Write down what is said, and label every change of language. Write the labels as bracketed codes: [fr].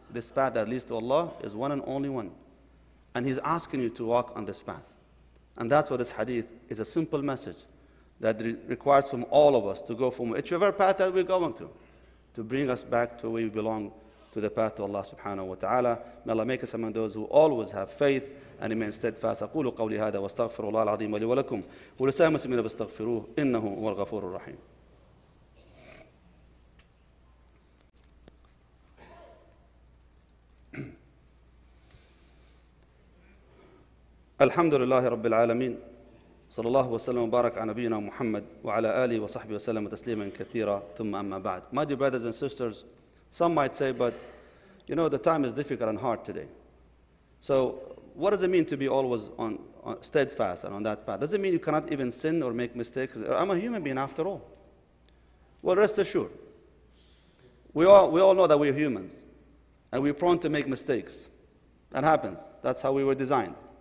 [en] This path that leads to Allah is one and only one. And He's asking you to walk on this path. And that's what this hadith is, a simple message that requires from all of us to go from whichever path that we're going to bring us back to where we belong, to the path to Allah subhanahu wa ta'ala. May Allah make us among those who always have faith and remain steadfast. [ar] أقول قولي هذا واستغفر الله العظيم لي ولكم ولسائر المسلمين فاستغفروه إنه هو الغفور الرحيم. الحمد لله رب العالمين صلى الله وسلم وبارك على نبينا محمد وعلى آله وصحبه وسلم تسليما كثيرا ثم أما بعد. [en] My dear brothers and sisters, some might say, but you know, the time is difficult and hard today. So what does it mean to be always on steadfast and on that path? Does it mean you cannot even sin or make mistakes? I'm a human being after all. Well, rest assured, we all know that we're humans and we're prone to make mistakes. That happens. That's how we were designed.